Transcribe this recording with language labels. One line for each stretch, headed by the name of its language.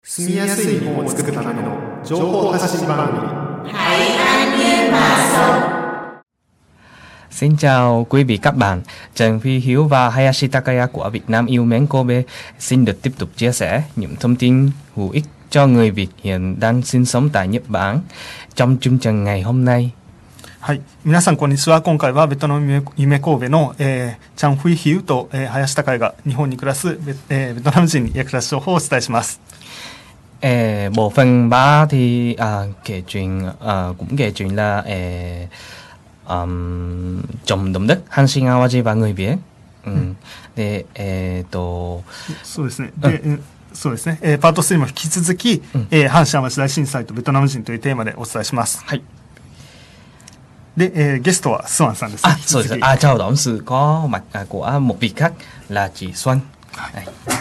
Japanese: 住みやすい日本を作るための情報発信番組タイタニウマソ。
Vietnamese: Xin chào quý vị các bạn, Trần Phi Hiếu và Hayashi Takaya của Việt Nam yêu mến Kobe xin được tiếp tục chia sẻ những thông tin hữu ích cho người Việt hiện đang sinh sống tại Nhật Bản trong chương trình ngày hôm nay.
Japanese: はい、皆さんこんにちは。今回はベトナム夢神戸の、チャン・フィ・ヒウと、林孝也が日本に暮らす ベトナム人に役立つ情報をお伝えします。部分は、
Vietnamese: kể chuyện, cũng kể chuyện là, trong động đất, 阪神淡路và người Việt.
Japanese: で、そうですね。で、そうですね。パート3も引き続き、阪神淡路大震災とベトナム人というテーマでお伝えします。はい。で、ゲストはスワンさんです。あ、そうです。
Vietnamese: あ、チャオドン、スコー、マッカコア、モピカ、ラチ、スワン。
Japanese: はい。